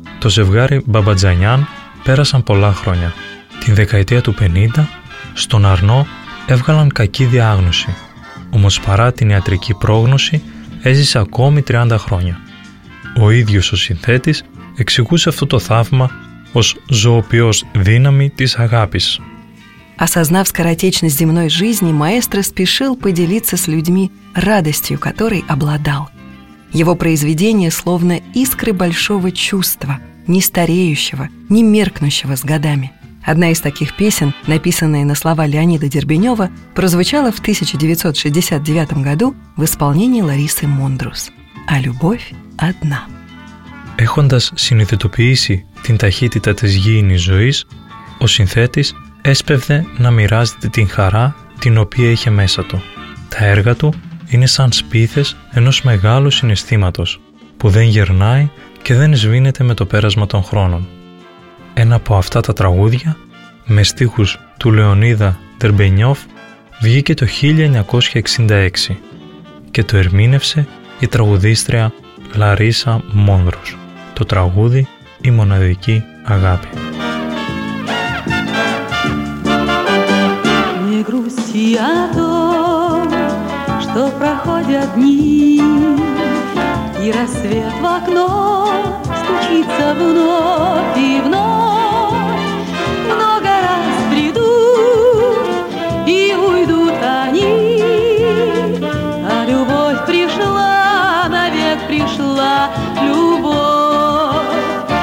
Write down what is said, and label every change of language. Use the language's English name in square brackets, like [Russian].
[Greek] το ζευγάρι Μπαμπατζανιάν πέρασαν πολλά χρόνια. Την δεκαετία του 50, στον Αρνό έβγαλαν κακή διάγνωση. Όμως παρά την ιατρική πρόγνωση, έζησε ακόμη 30 χρόνια. Ο ίδιος ο συνθέτης εξηγούσε αυτό το θαύμα ως ζωοποιός δύναμη της αγάπης. [Russian] Осознав скоротечность земной жизни, маэстро спешил поделиться с людьми радостью, которой обладал. Его произведения словно искры большого чувства, не стареющего, не меркнущего с годами. Одна из таких песен, написанная на слова Леонида Дербенева, прозвучала в 1969 году в исполнении Ларисы Мондрус. А любовь одна. [Greek] Έχοντας συνειδητοποιήσει την ταχύτητα της γήινης ζωής, ο συνθέτης έσπευδε να μοιράζεται την χαρά την οποία είχε μέσα του. Τα έργα του είναι σαν σπίθες ενός μεγάλου συναισθήματος που δεν γερνάει και δεν σβήνεται με το πέρασμα των χρόνων. Ένα από αυτά τα τραγούδια, με στίχους του Λεωνίδα Δερμπενιόφ, βγήκε το 1966 και το ερμήνευσε η τραγουδίστρια Λαρίσα Μόνδρος. Το τραγούδι «Η μοναδική αγάπη». [Russian] Грусти о том, что проходят дни, и рассвет в окно стучится вновь и вновь. Много раз придут и уйдут они, а любовь пришла, навек пришла любовь.